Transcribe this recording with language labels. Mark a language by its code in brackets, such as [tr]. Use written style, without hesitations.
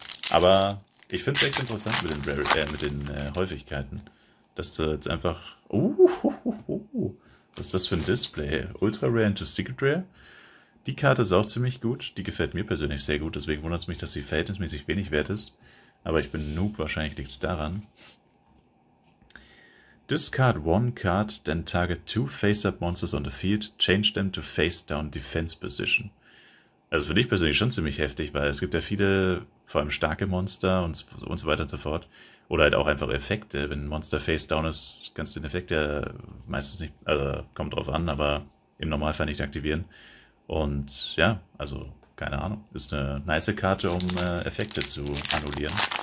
[de] Aber ich finde es echt interessant mit den, Häufigkeiten. Dass du jetzt einfach... Was ist das für ein Display? [en] Ultra Rare into Secret Rare? [de] Die Karte ist auch ziemlich gut, die gefällt mir persönlich sehr gut, deswegen wundert es mich, dass sie verhältnismäßig wenig wert ist. Aber ich bin Noob, wahrscheinlich liegt es daran. [en] Discard one card, then target two face-up monsters on the field, change them to face-down defense position. [de] Also für dich persönlich schon ziemlich heftig, weil es gibt ja viele, vor allem starke Monster und so weiter und so fort. Oder halt auch einfach Effekte. Wenn ein Monster face-down ist, kannst du den Effekt ja meistens nicht, also kommt drauf an, aber im Normalfall nicht aktivieren. Und ja, also keine Ahnung. Ist eine nice Karte, um Effekte zu annullieren.